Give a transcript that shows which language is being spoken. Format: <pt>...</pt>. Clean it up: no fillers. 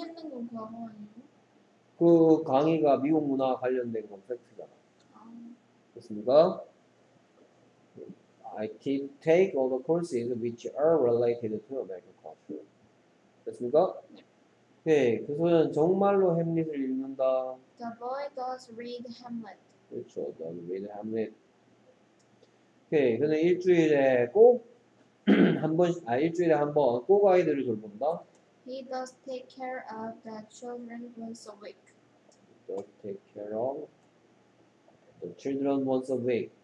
<ko>수강했는 건 그거 아니에요? 그 강의가 미국 문화와 관련된 건 팩트잖아. 그렇습니까?</ko> <en>I can take all the courses which are related to American culture.</en> <ko>됐습니까? 네. 오케이. 그 소년 정말로 햄릿을 읽는다.</ko> <en>The boy does read Hamlet.</en> <ko>그렇죠.</ko> <en>Does read Hamlet.</en> <ko>오케이. 근데 일주일에 꼭 한 번, 아 일주일에 한 번 꼭 아이들을 돌본다.</ko> <en>He does take care of the children once a week. He does take care of the children once a week.</en>